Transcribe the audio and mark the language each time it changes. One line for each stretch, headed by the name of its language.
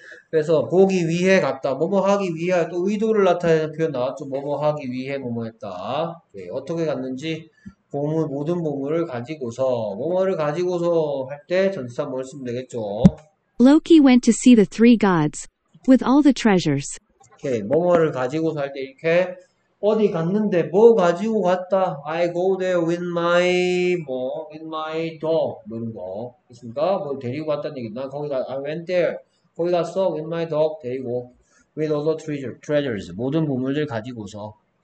Korean: 그래서 보기 위해 갔다. 뭐뭐 하기 위해 또 의도를 나타내는 표현 나왔죠. 뭐뭐 하기 위해 뭐뭐 했다. 네, 어떻게 갔는지 보물 모든 보물을 가지고서 뭐뭐를 가지고서 할때 전치사 뭐 쓰면 되겠죠.
English: Loki went to see the three gods with all the treasures.
Korean: 이렇게 뭐뭐를 가지고서 할때 이렇게 어디 갔는데 뭐 가지고 갔다.
English: I go there with my dog
Korean: 이런 거 있습니까? 뭘 데리고 갔다는 얘기. 난 거기다
English: I went there.
Korean: 거기 갔어
English: with my dog
Korean: 데리고
English: with all the treasures
Korean: 모든 보물들 가지고서